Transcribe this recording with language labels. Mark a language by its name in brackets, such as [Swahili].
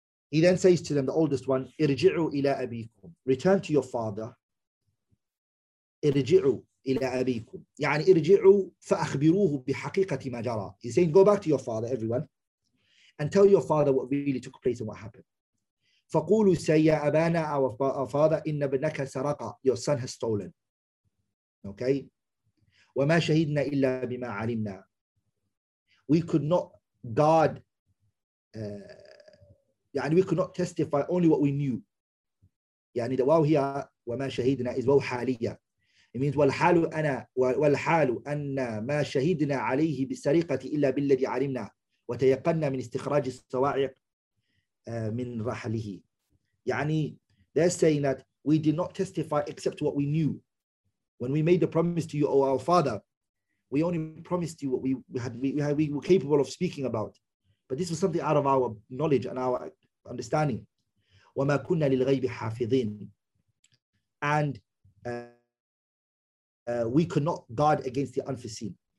[English] He then says to them, the oldest one, irji'u ila abikum. Return to your father. Irji'u ila abikum. [Arabic] يعني irji'u فأخبروه بحقيقة ما جرى. [English] He's saying, go back to your father, everyone, and tell your father what really took place and what happened. [Arabic] فقولوا سيا أبانا, [English] our father, [Arabic] إن ابنك سرق. [English] Your son has stolen. Okay. [Arabic] وما شهدنا إلا بما علمنا. [English] We could not guard. [Arabic] يعني [English] we could not testify only what we knew. [Arabic] يعني the واو هي وما شهدنا is واو حالية. [English] It means [Arabic] والحال أن ما شهدنا عليه بالسرقة إلا بالذي علمنا وتيقنا من استخراج الصواعق من رحله. [English] Yani, they're saying that we did not testify except what we knew. When we made the promise to you, O our father, we only promised you what we were capable of speaking about. But this was something out of our knowledge and our understanding. [Arabic] وَمَا كُنَّا لِلْغَيْبِ حَافِظِينَ [English] And we could not guard against the unforeseen.